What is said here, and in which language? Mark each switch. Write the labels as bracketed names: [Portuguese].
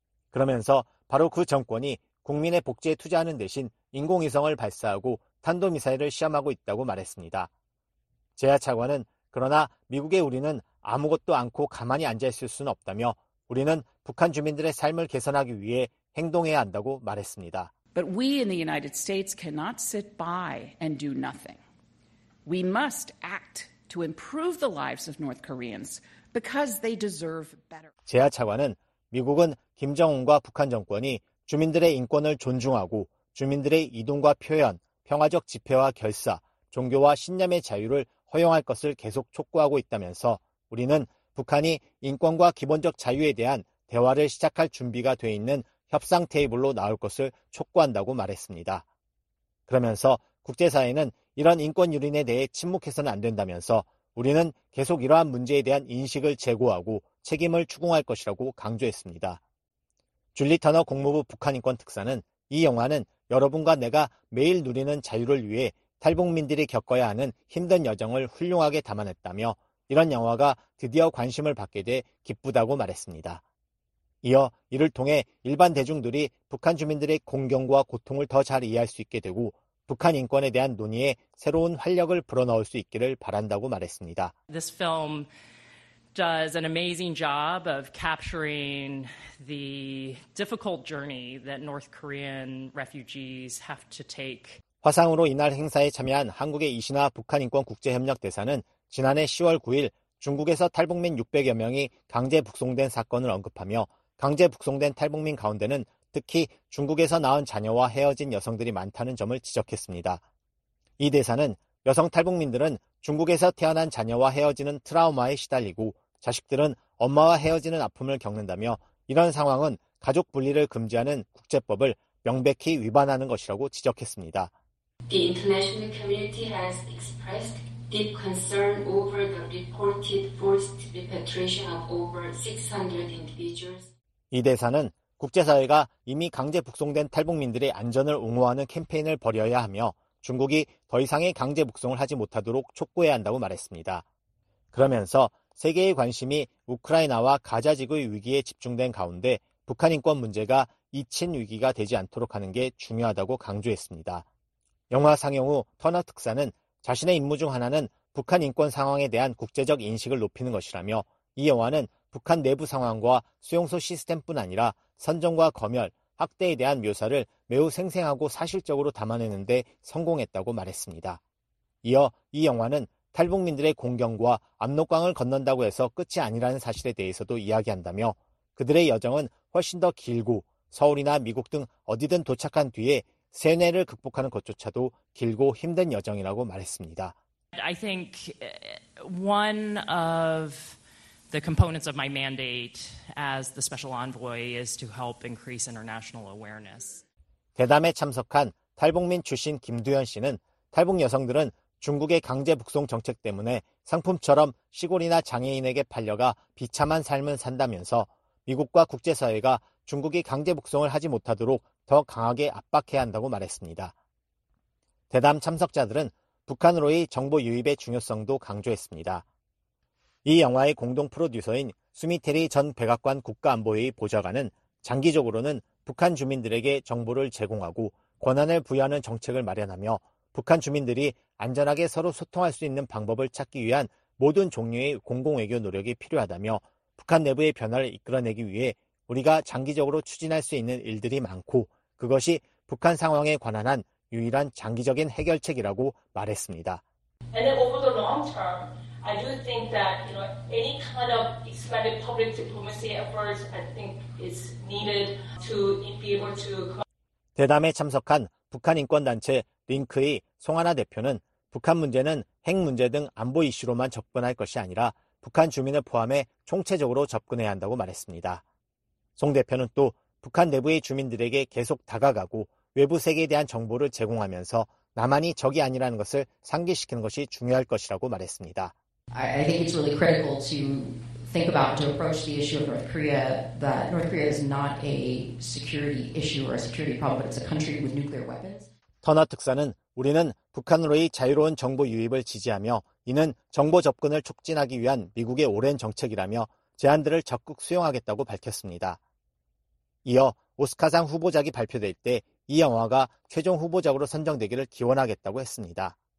[Korean] 그러면서 바로 그 정권이 국민의 복지에 투자하는 대신 인공위성을 발사하고 탄도미사일을 시험하고 있다고 말했습니다. 제야 차관은 그러나 미국의 우리는 아무것도 않고 가만히 앉아있을 수는 없다며 우리는 북한 주민들의 삶을 개선하기 위해 행동해야 한다고 말했습니다. [English] But we in the United States cannot sit by and do nothing. We must act to improve the lives of North Koreans because they deserve better. [Korean] 제야 차관은 미국은 김정은과 북한 정권이 주민들의 인권을 존중하고 주민들의 이동과 표현, 평화적 집회와 결사, 종교와 신념의 자유를 허용할 것을 계속 촉구하고 있다면서 우리는 북한이 인권과 기본적 자유에 대한 대화를 시작할 준비가 돼 있는 협상 테이블로 나올 것을 촉구한다고 말했습니다. 그러면서 국제사회는 이런 인권 유린에 대해 침묵해서는 안 된다면서 우리는 계속 이러한 문제에 대한 인식을 제고하고 책임을 추궁할 것이라고 강조했습니다. 줄리 터너 국무부 북한인권특사는 이 영화는 여러분과 내가 매일 누리는 자유를 위해 탈북민들이 겪어야 하는 힘든 여정을 훌륭하게 담아냈다며 이런 영화가 드디어 관심을 받게 돼 기쁘다고 말했습니다. 이어 이를 통해 일반 대중들이 북한 주민들의 공경과 고통을 더 잘 이해할 수 있게 되고 북한 인권에 대한 논의에 새로운 활력을 불어넣을 수 있기를 바란다고 말했습니다. [English] This film does an amazing job of capturing the difficult journey that North Korean refugees have to take. [Korean] 화상으로 이날 행사에 참여한 한국의 이신화 북한인권국제협력대사는 지난해 10월 9일 중국에서 탈북민 600여 명이 강제 북송된 사건을 언급하며 강제 북송된 탈북민 가운데는 특히 중국에서 낳은 자녀와 헤어진 여성들이 많다는 점을 지적했습니다. 이 대사는 여성 탈북민들은 중국에서 태어난 자녀와 헤어지는 트라우마에 시달리고 자식들은 엄마와 헤어지는 아픔을 겪는다며 이런 상황은 가족 분리를 금지하는 국제법을 명백히 위반하는 것이라고 지적했습니다. [English] The international community has expressed deep concern over the reported forced repatriation of over 600 individuals. [Korean] 이 대사는 국제사회가 이미 강제 북송된 탈북민들의 안전을 옹호하는 캠페인을 벌여야 하며 중국이 더 이상의 강제 북송을 하지 못하도록 촉구해야 한다고 말했습니다. 그러면서 세계의 관심이 우크라이나와 가자지구의 위기에 집중된 가운데 북한 인권 문제가 2층 위기가 되지 않도록 하는 게 중요하다고 강조했습니다. 영화 상영 후 터너 특사는 자신의 임무 중 하나는 북한 인권 상황에 대한 국제적 인식을 높이는 것이라며 이 영화는 북한 내부 상황과 수용소 시스템뿐 아니라 선정과 검열, 학대에 대한 묘사를 매우 생생하고 사실적으로 담아내는 데 성공했다고 말했습니다. 이어 이 영화는 탈북민들의 공경과 압록강을 건넌다고 해서 끝이 아니라는 사실에 대해서도 이야기한다며 그들의 여정은 훨씬 더 길고 서울이나 미국 등 어디든 도착한 뒤에 세뇌를 극복하는 것조차도 길고 힘든 여정이라고 말했습니다. [English] I think one of the components of my mandate as the special envoy is to help increase international awareness. [Korean] 대담에 참석한 탈북민 출신 김두현 씨는 탈북 여성들은 중국의 강제 북송 정책 때문에 상품처럼 시골이나 장애인에게 팔려가 비참한 삶을 산다면서 미국과 국제사회가 중국이 강제 북송을 하지 못하도록 더 강하게 압박해야 한다고 말했습니다. 대담 참석자들은 북한으로의 정보 유입의 중요성도 강조했습니다. 이 영화의 공동 프로듀서인 수미테리 전 백악관 국가안보회의 보좌관은 장기적으로는 북한 주민들에게 정보를 제공하고 권한을 부여하는 정책을 마련하며 북한 주민들이 안전하게 서로 소통할 수 있는 방법을 찾기 위한 모든 종류의 공공외교 노력이 필요하다며 북한 내부의 변화를 이끌어내기 위해 우리가 장기적으로 추진할 수 있는 일들이 많고 그것이 북한 상황에 관한한 유일한 장기적인 해결책이라고 말했습니다. [English] And over the long term, I do think that you know any kind of expanded public diplomacy efforts, I think, is needed to be able to. [Korean] 대담에 참석한 북한 인권 단체 링크의 송하나 대표는 북한 문제는 핵 문제 등 안보 이슈로만 접근할 것이 아니라 북한 주민을 포함해 총체적으로 접근해야 한다고 말했습니다. 송 대표는 또 북한 내부의 주민들에게 계속 다가가고 외부 세계에 대한 정보를 제공하면서 나만이 적이 아니라는 것을 상기시키는 것이 중요할 것이라고 말했습니다. [English] I think it's really critical to think about to approach the issue of North Korea that North Korea is not a security issue or a security problem, but it's a country with nuclear weapons. [Korean] 터너 특사는 우리는 북한으로의 자유로운 정보 유입을 지지하며 이는 정보 접근을 촉진하기 위한 미국의 오랜 정책이라며 제안들을 적극 수용하겠다고 밝혔습니다. 이어 오스카상 후보작이 발표될 때 이 영화가 최종 후보작으로 선정되기를 기원하겠다고 했습니다.